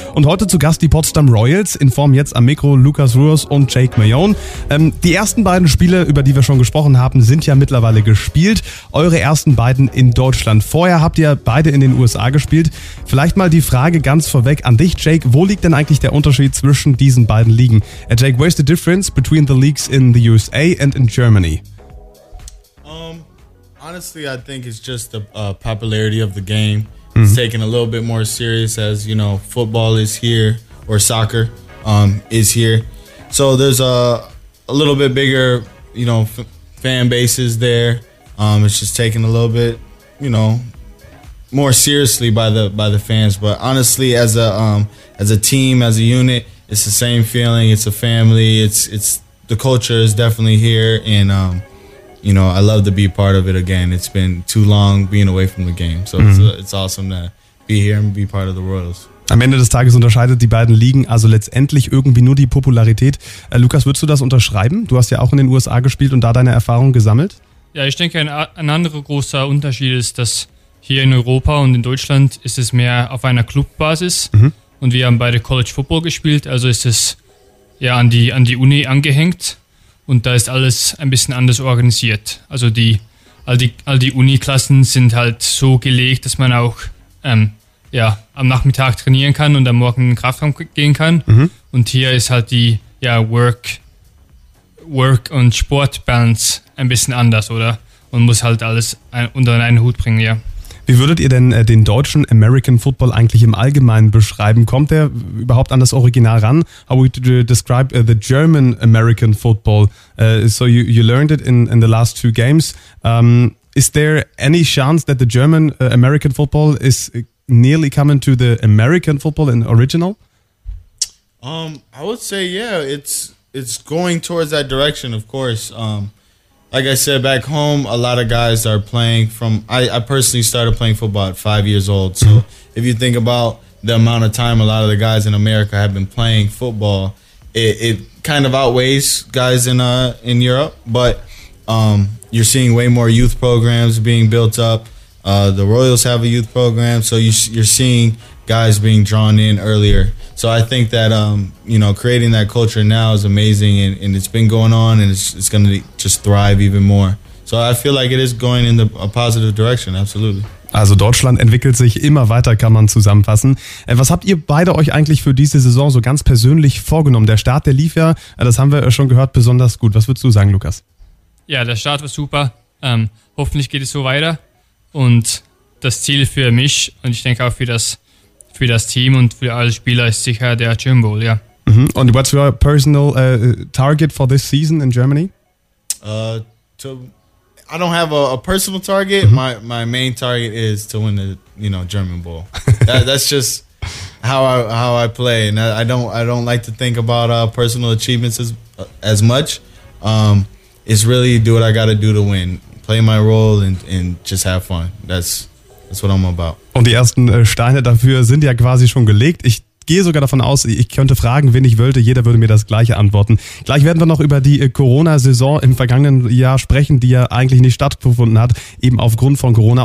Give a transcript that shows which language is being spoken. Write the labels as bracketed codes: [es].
[de] Und heute zu Gast die Potsdam Royals, in Form jetzt am Mikro Lukas Ruos und Jake Mayone. Die ersten beiden Spiele, über die wir schon gesprochen haben, sind ja mittlerweile gespielt. Eure ersten beiden in Deutschland. Vorher habt ihr beide in den USA gespielt. Vielleicht mal die Frage ganz vorweg an dich, Jake. Wo liegt denn eigentlich der Unterschied zwischen diesen beiden Ligen? [en] Jake, where's the difference between the leagues in the USA and in Germany? Honestly, I think it's just the popularity of the game. Mm-hmm. It's taken a little bit more serious as, you know, football is here or soccer is here. So there's a little bit bigger, you know, fan bases there. It's just taken a little bit, you know, more seriously by the fans. But honestly, as a team, as a unit, it's the same feeling. It's a family. It's the culture is definitely here and you know, I love to be part of it again. It's been too long being away from the game. So it's awesome to be here and be part of the Royals. [de] Am Ende des Tages unterscheidet die beiden Ligen also letztendlich irgendwie nur die Popularität. Lukas, würdest du das unterschreiben? Du hast ja auch in den USA gespielt und da deine Erfahrung gesammelt. Ja, ich denke, ein anderer großer Unterschied ist, dass hier in Europa und in Deutschland ist es mehr auf einer Clubbasis. Mhm. Und wir haben beide College Football gespielt. Also ist es ja an die Uni angehängt. Und da ist alles ein bisschen anders organisiert. Also all die Uniklassen sind halt so gelegt, dass man auch ja, am Nachmittag trainieren kann und am Morgen in den Kraftraum gehen kann. Mhm. Und hier ist halt die ja, Work und Sport-Balance ein bisschen anders, oder? Und muss halt alles unter einen Hut bringen, ja. Wie würdet ihr denn den deutschen American Football eigentlich im Allgemeinen beschreiben? Kommt der überhaupt an das Original ran? [en] How would you describe the German American Football? So you learned it in the last two games. Is there any chance that the German American football is nearly coming to the American football in original? I would say, yeah, it's going towards that direction, of course. Like I said, back home, a lot of guys are playing from... I personally started playing football at 5 years old. So if you think about the amount of time a lot of the guys in America have been playing football, it kind of outweighs guys in Europe. But you're seeing way more youth programs being built up. The Royals have a youth program. So you're seeing guys being drawn in earlier. So I think that, you know, creating that culture now is amazing, and it's been going on, and it's going to just thrive even more. So I feel like it is going in a positive direction, absolutely. [de] Also Deutschland entwickelt sich immer weiter, kann man zusammenfassen. Was habt ihr beide euch eigentlich für diese Saison so ganz persönlich vorgenommen? Der Start, der lief ja, das haben wir schon gehört, besonders gut. Was würdest du sagen, Lukas? Ja, der Start war super. Hoffentlich geht es so weiter. Und das Ziel für mich und ich denke auch für das Team und für alle Spieler ist sicher der German Bowl, ja. Mm-hmm. [en] And what's your personal target for this season in Germany? I don't have a personal target. Mm-hmm. My main target is to win the, you know, German Bowl. That's just how I play, and I don't like to think about personal achievements as much. It's really do what I got to do to win. Play my role and just have fun. That's what I'm about. [de] Und die ersten Steine dafür sind ja quasi schon gelegt. Ich gehe sogar davon aus, ich könnte fragen, wen ich wollte. Jeder würde mir das Gleiche antworten. Gleich werden wir noch über die Corona-Saison im vergangenen Jahr sprechen, die ja eigentlich nicht stattgefunden hat, eben aufgrund von Corona.